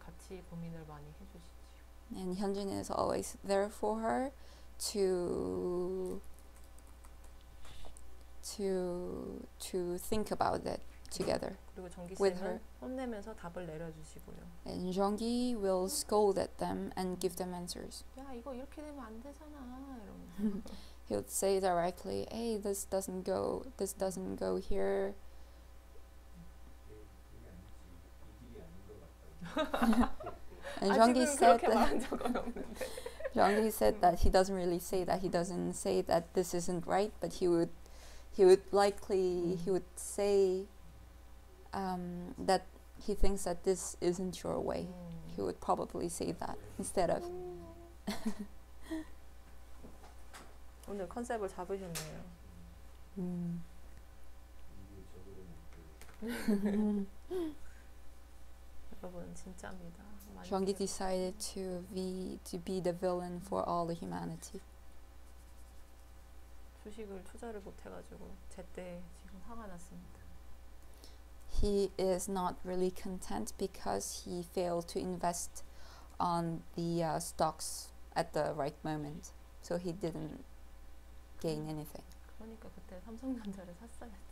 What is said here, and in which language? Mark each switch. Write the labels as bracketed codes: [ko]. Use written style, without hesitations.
[ko] 고민을 많이 해주시지요. [en] And Hyunjin is always there for her to think about it together. [ko] 그리고 정기 쌤은 혼내면서 답을 내려주시고요. [en] And Jeonggi will scold at them and give them answers. [ko] 야 이거 이렇게 되면 안 되잖아. 이런. [en] He'll say directly, "Hey, this doesn't go here." And Jeonggi said that. Jeonggi said that he doesn't really say that. He doesn't say that this isn't right, but he would likely he would say that he thinks that this isn't your way. He would probably say that instead of. [ko] 오늘 컨셉을 잡으셨네요. 여러분 진짜입니다. [en] Jeonggi decided to be the villain for all the humanity. [ko] 주식을 투자를 못 해가지고 제때 지금 화가 났습니다. [en] He is not really content because he failed to invest on the stocks at the right moment, so he didn't gain anything. [ko] 그러니까 그때 삼성전자를 샀어야.